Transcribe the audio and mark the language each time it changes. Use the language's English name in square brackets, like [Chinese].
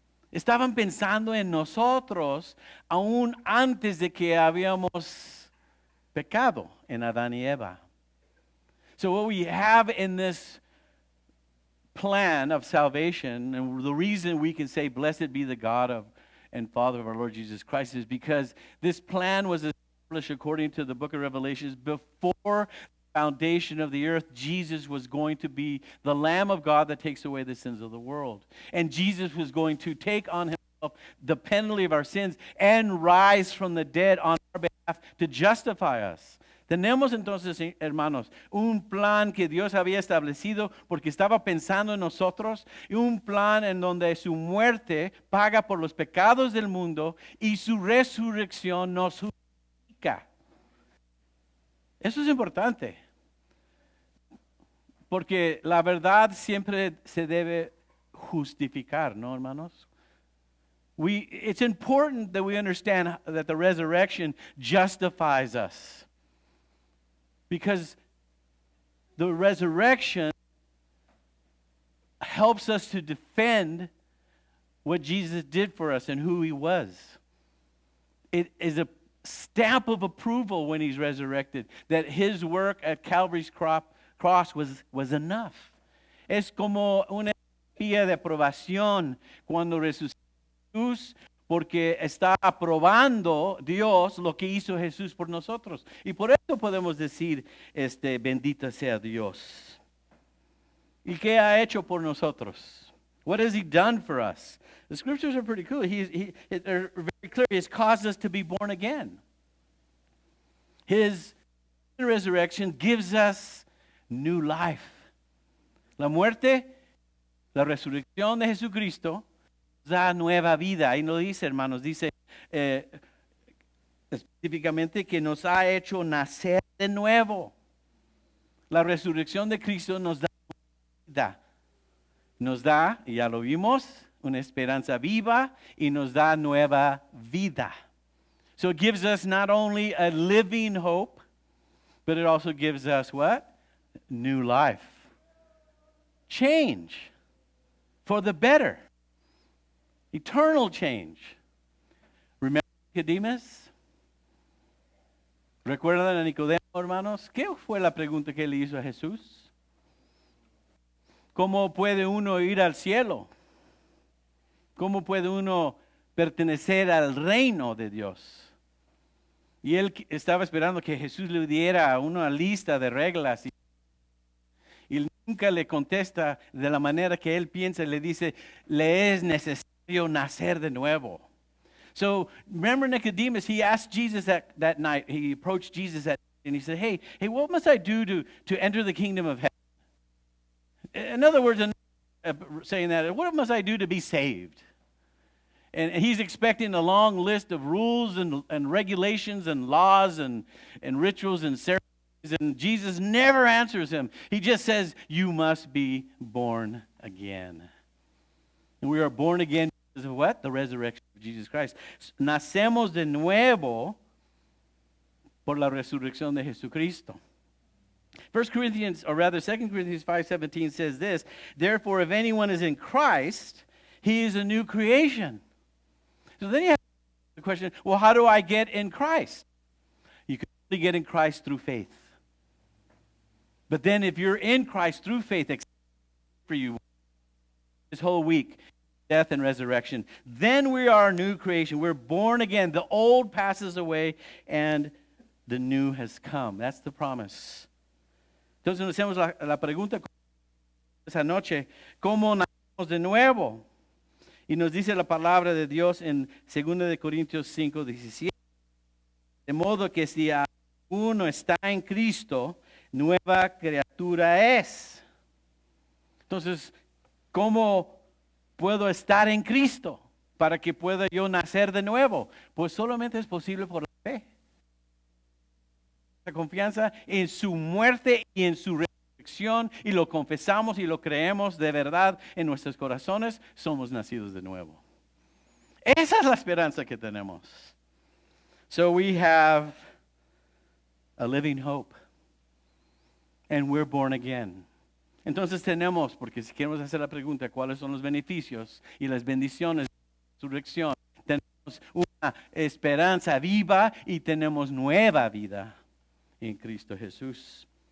[Spanish] Estaban pensando en nosotros aún antes de que habíamos pecado en Adán y Eva. [English] So what we have in this plan of salvation, and the reason we can say blessed be the God of and Father of our Lord Jesus Christ, is because this plan was established according to the book of Revelations before the foundation of the earth. Jesus was going to be the Lamb of God that takes away the sins of the world, and Jesus was going to take on himself the penalty of our sins and rise from the dead on our behalf to justify us. [Spanish] Tenemos entonces, hermanos, un plan que Dios había establecido porque estaba pensando en nosotros, y un plan en donde su muerte paga por los pecados del mundo y su resurrección nos justifica. Eso es importante, porque la verdad siempre se debe justificar, ¿no, hermanos? [English] It's important that we understand that the resurrection justifies us. Because the resurrection helps us to defend what Jesus did for us and who he was. It is a stamp of approval when he's resurrected that his work at Calvary's cross was enough. [Spanish] Es como una vía de aprobación cuando resucitó Jesús, porque está aprobando Dios lo que hizo Jesús por nosotros. Y por eso podemos decir, bendito sea Dios. ¿Y qué ha hecho por nosotros? [English] What has he done for us? The scriptures are pretty cool. They're very clear. He's caused us to be born again. His resurrection gives us new life. [Spanish] La muerte, la resurrección de Jesucristo da nueva vida. Ahí lo dice, hermanos, dice específicamente que nos ha hecho nacer de nuevo. La resurrección de Cristo nos da vida. Nos da, y ya lo vimos, una esperanza viva y nos da nueva vida. [English] So it gives us not only a living hope, but it also gives us what? New life. change for the better. Eternal change. Remember Nicodemus? [Spanish] ¿Recuerdan a Nicodemo, hermanos? ¿Qué fue la pregunta que le hizo a Jesús? ¿Cómo puede uno ir al cielo? ¿Cómo puede uno pertenecer al reino de Dios? Y él estaba esperando que Jesús le diera una lista de reglas. Y nunca le contesta de la manera que él piensa. Le dice, le es necesario nacer de nuevo. [English] So, remember Nicodemus, he asked Jesus that night. He approached Jesus that night and he said, hey, what must I do to enter the kingdom of heaven? In other words, saying that, what must I do to be saved? And he's expecting a long list of rules and regulations and laws and rituals and ceremonies. And Jesus never answers him. He just says, you must be born again. And we are born again because of what? The resurrection of Jesus Christ. [Spanish] Nacemos de nuevo por la resurrección de Jesucristo. [English] 2 Corinthians 5:17 says this, therefore, if anyone is in Christ, he is a new creation. So then you have the question, well, how do I get in Christ? You can only get in Christ through faith. But then if you're in Christ through faith, for you this whole week, death and resurrection, then we are a new creation. We're born again. The old passes away and the new has come. That's the promise. [Spanish] Entonces, nos hacemos la pregunta esa noche, ¿cómo nacemos de nuevo? Y nos dice la palabra de Dios en 2 Corintios 5:17. De modo que si uno está en Cristo, nueva criatura es. Entonces, ¿cómo puedo estar en Cristo para que pueda yo nacer de nuevo? Pues solamente es posible por la fe. La confianza en su muerte y en su resurrección, y lo confesamos y lo creemos de verdad en nuestros corazones, somos nacidos de nuevo. Esa es la esperanza que tenemos. [English] So we have a living hope and we're born again. [Spanish] Entonces tenemos, porque si queremos hacer la pregunta, ¿cuáles son los beneficios y las bendiciones de la resurrección? Tenemos una esperanza viva y tenemos nueva vida en Cristo Jesús.